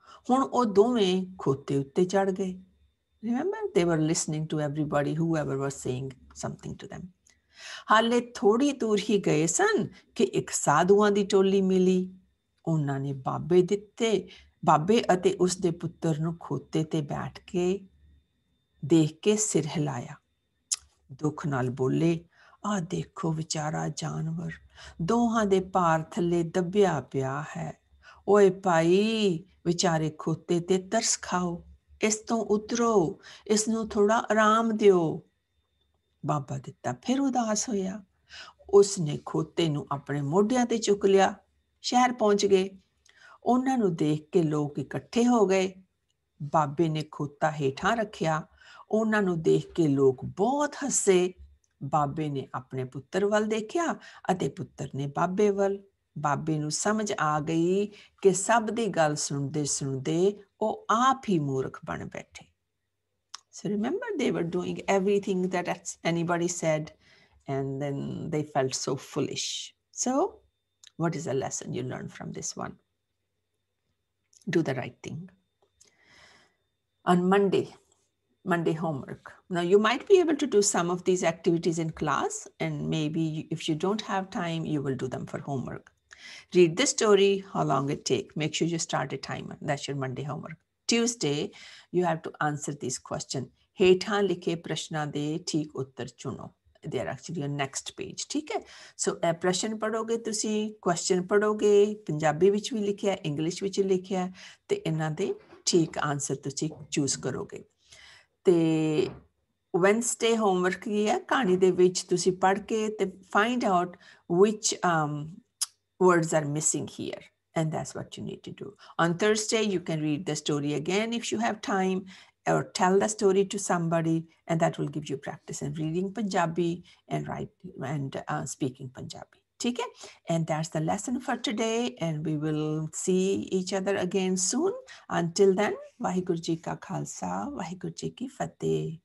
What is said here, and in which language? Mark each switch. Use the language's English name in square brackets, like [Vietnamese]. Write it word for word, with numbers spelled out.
[Punjabi] ਹੁਣ ਉਹ ਦੋਵੇਂ ਖੋਤੇ ਉੱਤੇ ਚੜ ਗਏ। [English] Remember, they were listening to everybody, whoever was saying something to them. [Punjabi] ਹਾਲੇ ਥੋੜੀ ਦੂਰ ਹੀ ਗਏ ਸਨ ਕਿ ਇੱਕ ਸਾਧੂਆਂ ਦੀ ਟੋਲੀ ਮਿਲੀ। ਉਹਨਾਂ ਨੇ ਬਾਬੇ ਦਿੱਤੇ ਬਾਬੇ ਅਤੇ ਉਸ ਦੇ ਪੁੱਤਰ ਨੂੰ ਖੋਤੇ ਤੇ ਬੈਠ ਕੇ ਦੇਖ ਕੇ ਸਿਰ ਹਿਲਾਇਆ। ਦੁੱਖ ਨਾਲ ਬੋਲੇ, ਆਹ ਦੇਖੋ ਵਿਚਾਰਾ ਜਾਨਵਰ ਦੋਹਾਂ ਦੇ ਭਾਰ ਥੱਲੇ ਦੱਬਿਆ ਪਿਆ ਹੈ। ਓਏ ਭਾਈ, ਵਿਚਾਰੇ ਖੋਤੇ ਤੇ ਤਰਸ ਖਾਓ, ਇਸ ਤੋਂ ਉਤਰੋ, ਇਸ ਨੂੰ ਥੋੜਾ ਆਰਾਮ ਦਿਓ। ਬਾਬਾ ਦਿੱਤਾ ਫਿਰ ਉਦਾਸ ਹੋਇਆ। ਉਸ ਨੇ ਖੋਤੇ ਨੂੰ ਆਪਣੇ ਮੋਢਿਆਂ ਤੇ ਚੁੱਕ ਲਿਆ। ਸ਼ਹਿਰ ਪਹੁੰਚ ਗਏ। ਉਹਨਾਂ ਨੂੰ ਦੇਖ ਕੇ ਲੋਕ ਇਕੱਠੇ ਹੋ ਗਏ। ਬਾਬੇ ਨੇ ਖੋਤਾ ਹੇਠਾਂ ਰੱਖਿਆ। ਉਹਨਾਂ ਨੂੰ ਦੇਖ ਕੇ ਲੋਕ ਬਹੁਤ ਹੱਸੇ। ਬਾਬੇ ਨੇ ਆਪਣੇ ਪੁੱਤਰ ਵੱਲ ਦੇਖਿਆ ਅਤੇ ਪੁੱਤਰ ਨੇ ਬਾਬੇ ਵੱਲ। ਬਾਬੇ ਨੂੰ ਸਮਝ ਆ ਗਈ ਕਿ ਸਭ ਦੀ ਗੱਲ ਸੁਣਦੇ ਸੁਣਦੇ ਉਹ ਆਪ ਹੀ ਮੂਰਖ ਬਣ ਬੈਠੇ। [English] So remember, they were doing everything that ex- anybody said, and then they felt so foolish. So, what is a lesson you learned from this one? Do the right thing. On Monday, Monday homework. Now, you might be able to do some of these activities in class, and maybe you- if you don't have time, you will do them for homework. Read the story, how long it take. Make sure you start a timer. That's your Monday homework. Tuesday, you have to answer these question. [Punjabi] ਹੇਠਾਂ ਲਿਖੇ ਪ੍ਰਸ਼ਨਾਂ ਦੇ ਠੀਕ ਉੱਤਰ ਚੁਣੋ। [English] They are actually on next page. [Punjabi] ਠੀਕ ਹੈ, ਸੋ ਇਹ ਪ੍ਰਸ਼ਨ ਪੜੋਗੇ ਤੁਸੀਂ, ਕੁਐਸਚਨ ਪੜੋਗੇ, ਪੰਜਾਬੀ ਵਿੱਚ ਵੀ ਲਿਖਿਆ, ਇੰਗਲਿਸ਼ ਵਿੱਚ ਵੀ ਲਿਖਿਆ ਹੈ, ਤੇ ਇਹਨਾਂ ਦੇ ਠੀਕ ਆਨਸਰ ਤੁਸੀਂ ਚੂਜ਼ ਕਰੋਗੇ। ਤੇ ਵੈਂਸਡੇ ਹੋਮਵਰਕ ਕੀ ਹੈ, ਕਹਾਣੀ ਦੇ ਵਿੱਚ ਤੁਸੀਂ ਪੜ੍ਹ ਕੇ ਤੇ find out [English] which um, words are missing here, and that's what you need to do. On Thursday, you can read the story again if you have time, or tell the story to somebody, and that will give you practice in reading Punjabi and write and uh, speaking Punjabi. Okay, and that's the lesson for today, and we will see each other again soon. Until then, Vaheguru Ji ka Khalsa, Vaheguru Ji ki Fateh.